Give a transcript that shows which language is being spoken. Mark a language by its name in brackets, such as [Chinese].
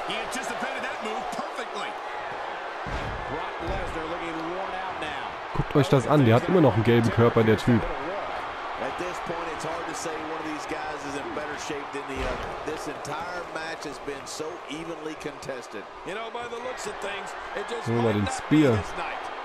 [English] He anticipated that move perfectly. Brock Lesnar looking worn out now. [German] Guckt euch das an. Der hat immer noch einen gelben Körper, der Typ. [English] At this point, it's hard to say one of these guys is in better shape than the other. This entire match has been so evenly contested. You know, by the looks of things, it just might not be this night.